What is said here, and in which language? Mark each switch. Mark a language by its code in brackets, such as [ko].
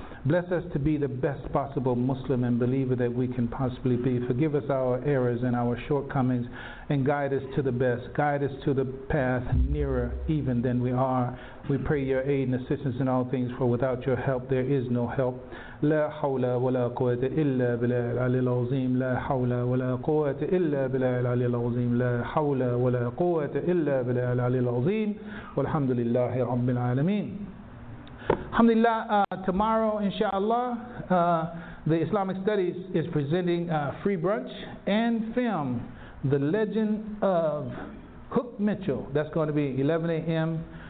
[en] Bless us to be the best possible Muslim and believer that we can possibly be. Forgive us our errors and our shortcomings, and guide us to the best. Guide us to the path nearer even than we are. We pray your aid and assistance in all things, for without your help there is no help. [ar] لا حول ولا قوة إلا بالله العلي العظيم. لا حول ولا قوة إلا بالله العلي العظيم. لا حول ولا قوة إلا بالله العلي العظيم. والحمد لله رب العالمين. [en] Alhamdulillah, tomorrow, inshallah, the Islamic Studies is presenting free brunch and film, The Legend of Hook Mitchell. That's going to be 11 a.m.